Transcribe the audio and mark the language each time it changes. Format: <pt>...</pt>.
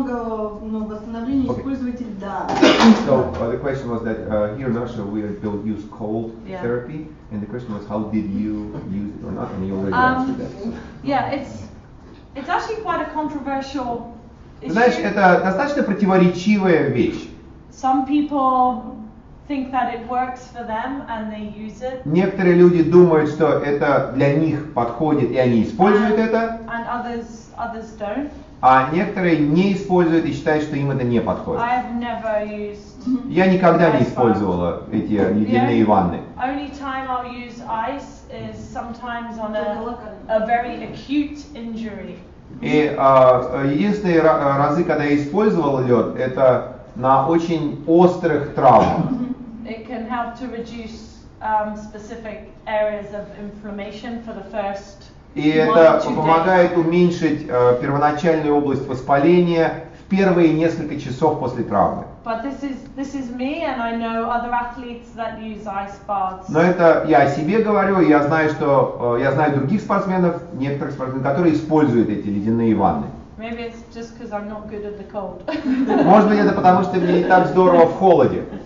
<en>So the question was that here in Russia we don't use cold therapy, and the question was how did you use it or not, and you already answered that. So. Yeah, it's actually quite a controversial issue.</en> <ru>Знаешь, это достаточно противоречивая вещь.</ru> <en>Some people think that it works for them and they use it.</en> <ru>Некоторые люди думают, что это для них подходит, и они используют это.</ru> <en>And others don't.</en> <ru>А некоторые не используют и считают, что им это не подходит.</ru> <en>I've never used ice.</en> <ru>Я никогда не использовала эти ледяные ванны.</ru> <en>Only time I'll use ice is sometimes on a very acute injury.</en> <ru>И единственные разы, когда я использовал лед, это на очень острых травмах.</ru> <en>It can help to reduce specific areas of inflammation for the first</en> <ru>И это помогает уменьшить первоначальную область воспаления в первые несколько часов после травмы.</ru> <en>But this is me, and I know other athletes that use ice baths.</en> <ru>Но это я о себе говорю, и я знаю, что я знаю других спортсменов, некоторых спортсменов, которые используют эти ледяные ванны.</ru> <en>Maybe it's just because I'm not good at the cold.</en> <ru>Может быть, это потому, что мне не так здорово в холоде.</ru>